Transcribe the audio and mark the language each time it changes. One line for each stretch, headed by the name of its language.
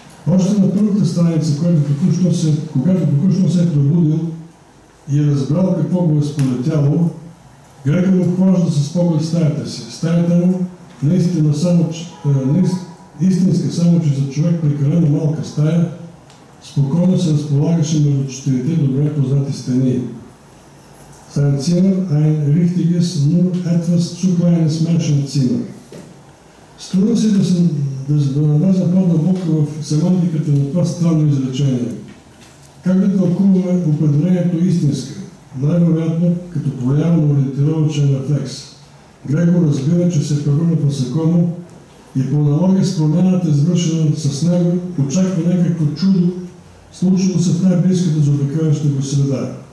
Bulgarian: Още на първата страница, когато току-що се е пробудил и е разбрал какво го е сполетяло, Грегор обхожда с поглед стаята си. Стаята му наистина само, истинска само, че за човек прекалено малка стая, спокойно се разполагаше между четирите добре познати стени.
German: Sein Zimmer, ein richtiges, nur etwas zu kleines Menschenzimmer.
Bulgarian: Струва се да навлезе по-дълбоко в семантиката на това странно изречение. Как да тълкуваме определението истинска? Най-вероятно, като проява на ориентировачен рефлекс. Грегор разбира, че се превърна в насекомо и по аналогия с промяната, извършена с него, очаква някакво чудо, случило се в най-близката заобикаляща го среда.